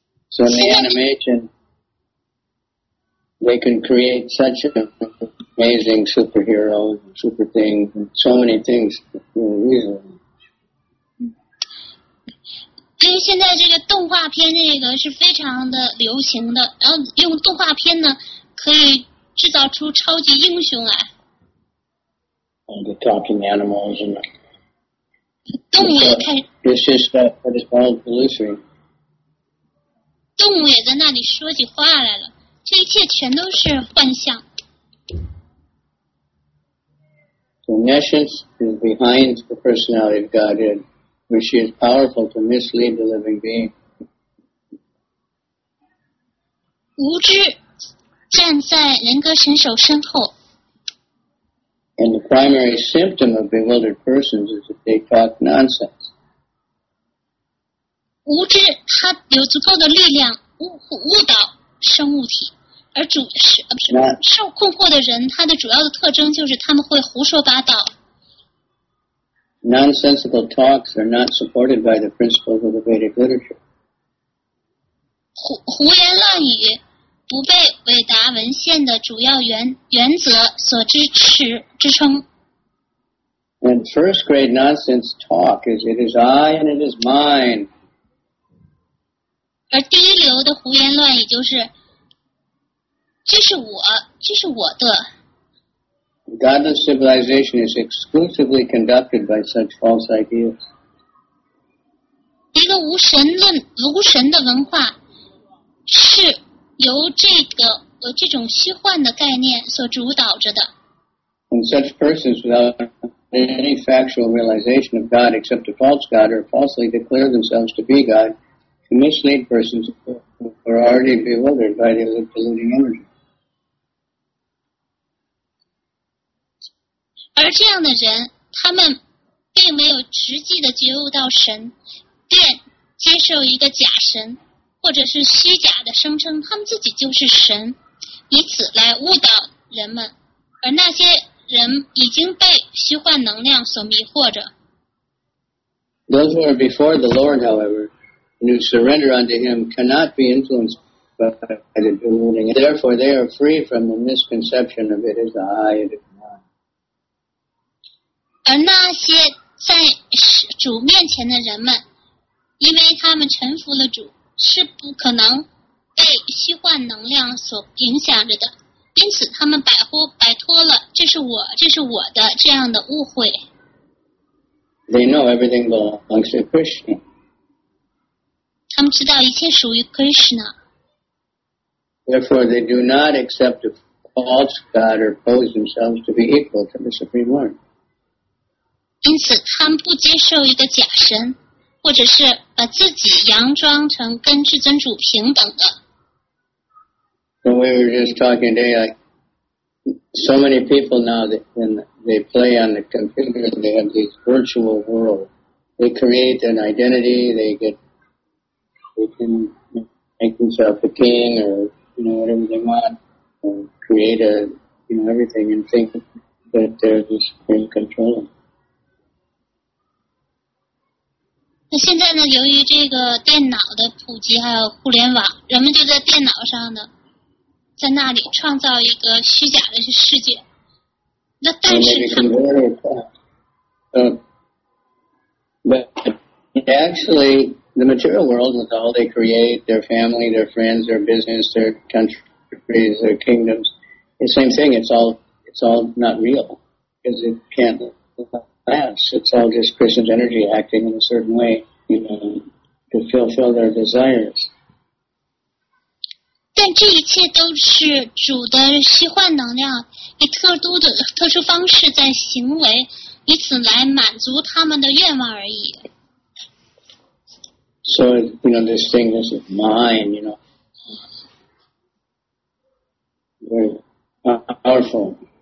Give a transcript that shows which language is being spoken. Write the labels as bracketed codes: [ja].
[en] So in the animation, they can create such amazing superheroes, super things, and so many things. Really. [zh] 因为现在这个动画片这个是非常的流行的，然后用动画片呢可以制造出超级英雄来。 [en] And the talking animals and the [zh] 动物也开 [en] 始。This is what is called illusory. [zh] 动物也在那里说起话来了，这一切全都是幻象。 [en] So omniscience is behind the personality of Godhead, which is powerful to mislead the living being. [zh] 无知站在人格神手身后。 [en] And the primary symptom of bewildered persons is that they talk nonsense. [zh] 无知它有足够的力量 误导生物体。而主是受困惑的人，他的主要的特征就是他们会胡说八道。 [en] Nonsensical talks are not supported by the principles of the Vedic literature. [zh] 胡言乱语不被韦达文献的主要 原则所支持支撑。 [en] And first grade nonsense talk is it is I and it is mine. [zh] 而第一流的胡言乱语就是。这是我，这是我的。 [en] Godless civilization is exclusively conducted by such false ideas. [zh] 一个无神论、无神的文化，是由这种虚幻的概念所主导着的。 [en] And such persons, without any factual realization of God except a false God, or falsely declare themselves to be God, to mislead persons who are already bewildered by the deluding images. [zh] 而这样的人，他们并没有实际的觉悟到神，便接受一个假神，或者是虚假的声称他们自己就是神，以此来误导人们。而那些人已经被虚幻能量所迷惑着。 [en] Those who are before the Lord, however, and who surrender unto Him, cannot be influenced by the deluding. Therefore, they are free from the misconception of it as I. [zh] 而那些在主面前的人们，因为他们臣服了主，是不可能被虚幻能量所影响着的，因此他们摆脱了这是我，这是我的这样的误会。 [en] They know everything belongs to Krishna. [zh] 他们知道一切属于 Krishna. [en] Therefore, they do not accept a false God or pose themselves to be equal to the Supreme Lord. [zh] 因此他们不接受一个假神，或者是把自己佯装成跟至尊主平等的。 [en] So we were just talking today, so many people now that they play on the computer, they have this virtual world. They create an identity, they can make themselves a king or, you know, whatever they want, or create everything and think that they're the supreme controller. [zh] 那现在呢，由于这个电脑的普及还有互联网，人们就在电脑上呢，在那里创造一个虚假的世界。那但是他们 [en] But actually, the material world with all they create, their family, their friends, their business, their countries, their kingdoms, the same thing, it's all not real, because it can't live. Yes, it's all just Krishna's energy acting in a certain way, to fulfill their desires. [zh] 但这一切都是主的虚幻能量以特殊方式在行为，以此来满足他们的愿望而已。 [en] So, this thing is mine, very powerful.